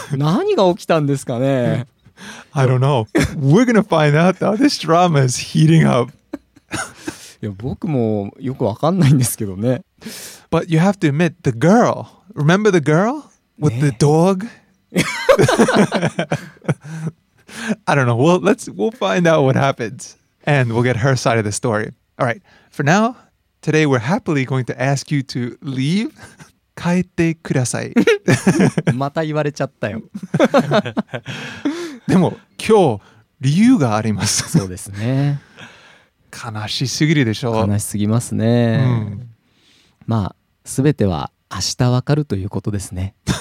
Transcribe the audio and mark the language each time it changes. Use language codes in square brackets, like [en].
[ja] 何が起きたんですかね。 [en] I don't know. We're gonna find out that this drama is heating up. [ja] いや、僕もよくわかんないんですけどね。 [en] But you have to admit, the girl. Remember the girl? With、ね、the dog? I don't know. We'll find out what happens. And we'll get her side of the story. All right. For now, today we're happily going to ask you to leave... [ja] 帰ってください。また言われちゃったよ。でも今日理由があります。そうですね。悲しすぎるでしょう。悲しすぎますね。うん、まあ全ては明日わかるということですね。